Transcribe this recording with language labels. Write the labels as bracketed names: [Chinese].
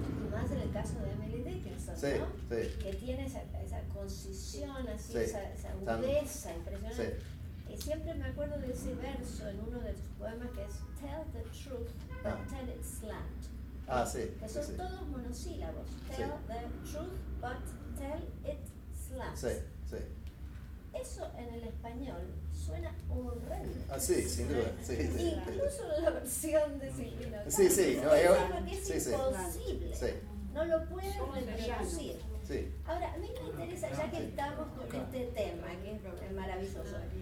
[Spanish] más en el caso de Emily Dickinson, sí, ¿no? Sí. Que tiene esa concisión, así, sí, esa agudeza impresionante. Sí. Y siempre me acuerdo de ese verso en uno de sus poemas que es [English] Tell the truth, but tell it slant. [Spanish] Ah, sí. Que son todos monosílabos. [English] Tell the truth, but tell it slant. [Spanish] Sí, sí. Eso en el español suena horrendo. Ah, sí, sin duda. Sí, sí. Incluso en la versión de Silvino. Sí, sí. No, yo, es imposible. Sí. No lo puedo reproducir. Sí. Ahora, a mí me interesa, ya que estamos con este tema, que es maravilloso.